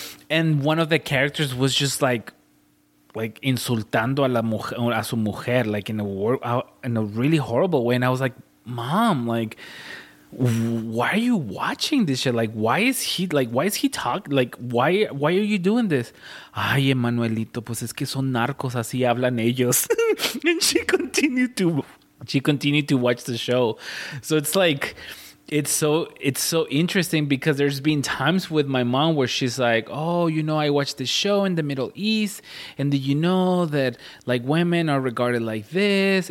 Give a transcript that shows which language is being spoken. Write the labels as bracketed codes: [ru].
[en] And one of the characters was just like [es] insultando a la mujer, a su mujer, [en] like in a really horrible way. And I was like, "Mom, like, why are you watching this shit? Like, why is he talking? Like, why are you doing this?" [es] "Ay, Emanuelito, pues es que son narcos, así hablan ellos." [en] And she continued to watch the show. So it's like, It's so interesting, because there's been times with my mom where she's like, "Oh, you know, I watched this show in the Middle East, and did you know that, like, women are regarded like this?"